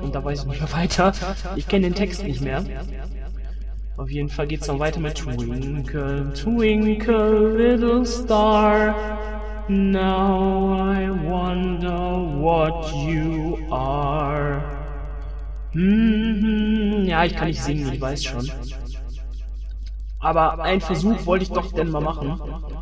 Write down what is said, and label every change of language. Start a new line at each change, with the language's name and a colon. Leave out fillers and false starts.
German: Und da weiß ich nicht mehr weiter. Ich kenne den Text nicht mehr. Auf jeden Fall geht's dann weiter mit
English: Twinkle, twinkle, little star. Now I wonder what you are.
German: Ja, ich kann nicht singen, ich weiß schon. Aber einen Versuch wollte ich doch denn mal machen.